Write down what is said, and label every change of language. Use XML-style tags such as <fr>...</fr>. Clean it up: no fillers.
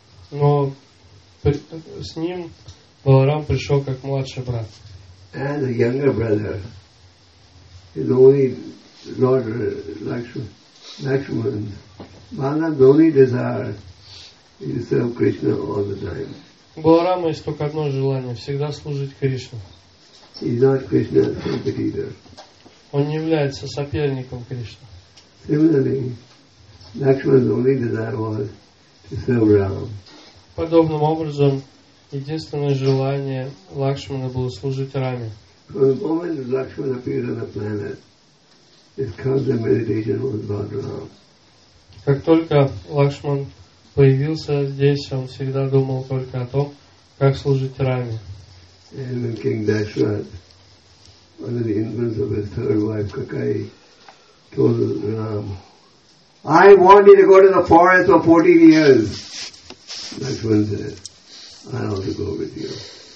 <ru>Но с ним Баларам пришел как младший брат.</ru> <en>And the younger brother is only Lord Lakshman. Balarama's only desire is to serve Krishna all the time.</en> <ru>Баларама есть только одно желание – всегда служить Кришне.</ru> <en>He's not Krishna's competitor.</en> <ru>Он не является соперником Кришны.</ru> <en>Similarly, Lakshman's only desire was to serve Ram.</en> <ru>Подобным образом, единственное желание Лакшмана было служить Раме.</ru> <en>From the moment that Lakshman appeared on the planet, his constant meditation was about Ram.</en> <ru>Как только Лакшман появился здесь, он всегда думал только о том, как служить Раме.</ru> <en>And when King Dashrath, under the influence of his third wife, Kakai, told Ram, I want you to go to the forest for 14 years. Lakshman said, I want to go with you.</en>